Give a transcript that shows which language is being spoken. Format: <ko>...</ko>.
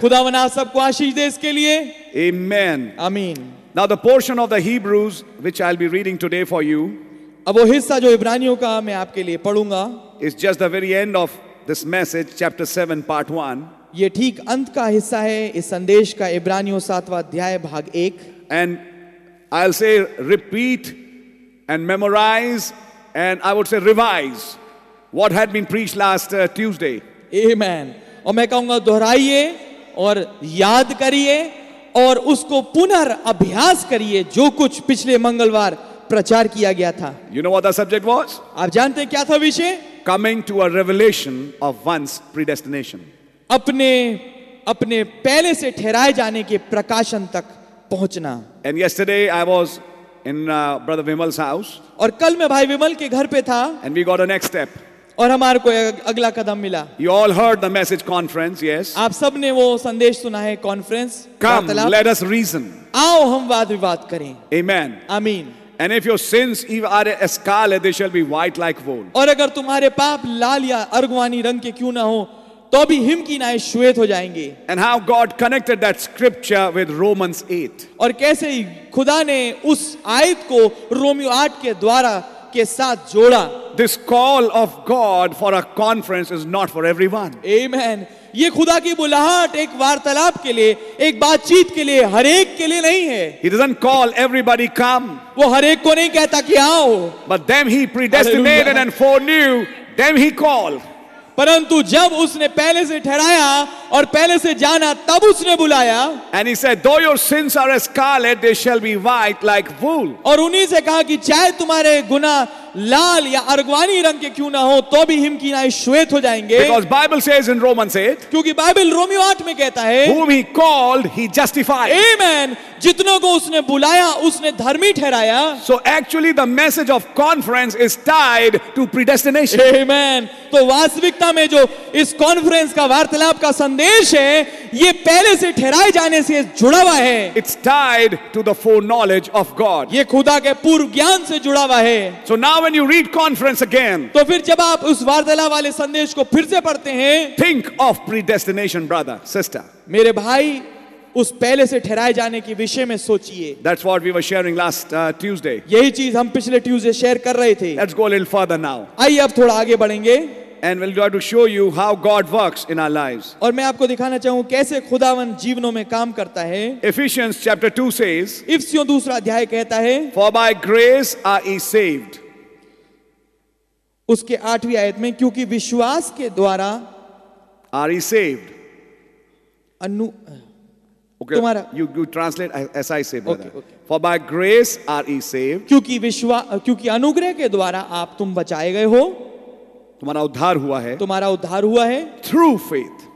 <hi>खुदावन आप सबको आशीष दे इसके लिए.</hi> <en>Amen.</en> <hi>आमीन.</hi> <en>Now the portion of the Hebrews which I'll be reading today for you.</en> <hi>अब वो हिस्सा जो इब्रानियों का मैं आपके लिए पढ़ूंगा.</hi> <en>It's just the very end of this message, chapter 7, part 1.</en> <hi>ये ठीक अंत का हिस्सा है इस संदेश का, इब्रानियों 7वां अध्याय भाग 1.</hi> <en>And I'll say repeat and memorize and I would say revise what had been preached last Tuesday. Amen.</en> <hi>और मैं कहूंगा दोहराइए और याद करिए और उसको पुनर्अभ्यास करिए जो कुछ पिछले मंगलवार प्रचार किया गया था.</hi> <en>You know what the subject was?</en> <hi>आप जानते हैं क्या था विषय?</hi> <en>Coming to a revelation of one's predestination.</en> <hi>अपने पहले से ठहराए जाने के प्रकाशन तक पहुंचना.</hi> <en>And yesterday I was in brother Vimal's house.</en> <hi>और कल मैं भाई विमल के घर पे था.</hi> <en>And we got a next step.</en> <hi>और हमारे को अगला कदम मिला.</hi> <en>You all heard the message conference, yes?</en> <hi>आप सब ने वो संदेश सुना है conference.</hi> <en>Come, let us reason.</en> <hi>आओ हम वाद विवाद करें.</hi> <en>Amen.</en> <hi>आमीन.</hi> <en>And if your sins are as scarlet, they shall be white like wool.</en> <hi>और अगर तुम्हारे पाप लाल या अर्गवानी रंग के क्यों ना हो, तो भी हिम की नाएं श्वेत हो जाएंगे.</hi> <en>And how God connected that scripture with Romans 8.</en> <hi>और कैसे खुदा ने उस आयत को रोमियो 8 के द्वारा के साथ जोड़ा.</hi> <en>This call of God for a conference is not for everyone. Amen.</en> <hi>ये खुदा की बुलाहट एक वार्तालाप के लिए, एक बातचीत के लिए, हर एक के लिए नहीं है.</hi> <en>He doesn't call everybody come.</en> <hi>वो हर एक को नहीं कहता कि आओ.</hi> <en>But them he predestinated and foreknew, them he called.</en> <hi>परंतु जब उसने पहले से ठहराया और पहले से जाना तब उसने बुलाया.</hi> <en>And he said, though your sins are as scarlet, they shall be white like wool.</en> <hi>और उन्हीं से कहा कि चाहे तुम्हारे गुनाह लाल या अर्गवानी रंग के क्यों ना हो, तो भी हिम की नाई श्वेत हो जाएंगे.</hi> <en>Because Bible says in Romans 8,</en> <hi>क्योंकि बाइबल रोमियो 8 में कहता है,</hi> <en>whom he called, he justified. Amen.</en> <hi>जितनों को उसने बुलाया उसने धर्मी ठहराया.</hi> <en>So actually the message of conference is tied to predestination. Amen.</en> <hi>तो वास्तविकता में जो इस कॉन्फ्रेंस का वार्तालाप का संदेश है, ये पहले से ठहराए जाने से जुड़ा हुआ है.</hi> <en>It's tied to the foreknowledge of God.</en> <hi>ये खुदा के पूर्व ज्ञान से जुड़ा हुआ है.</hi> <en>So now when you read conference again,</en> <hi>तो फिर जब आप उस वार्तालाप वाले संदेश को फिर से पढ़ते हैं,</hi> <en>think of predestination, brother, sister.</en> <hi>मेरे भाई, उस पहले से ठहराए जाने के विषय में सोचिए.</hi> <en>That's what we were sharing last Tuesday.</en> <hi>यही चीज हम पिछले ट्यूसडे शेयर कर रहे थे.</hi> <en>Let's go a little further now.</en> <hi>आइए अब थोड़ा आगे बढ़ेंगे.</hi> <en>And we'll try to show you how God works in our lives.</en> <hi>और मैं आपको दिखाना चाहूँ कैसे खुदावन जीवनों में काम करता है.</hi> <en>Ephesians chapter 2 says.</en> <hi>इफिसियों दूसरा अध्याय कहता है.</hi> <en>For by grace are ye saved.</en> <hi>उसके आठवीं आयत में, क्योंकि विश्वास के द्वारा.</hi> <en>Are ye saved?</en> <hi>Anu</hi> <en>Okay,</en> <hi>तुम्हारा</hi> <en>you translate as I say, brother. Okay. For by grace are ye saved.</en> <hi>क्योंकि विश्वास, क्योंकि अनुग्रह के द्वारा आप तुम बचाए गए हो. तुम्हारा उद्धार हुआ है</hi> <en>through faith,</en>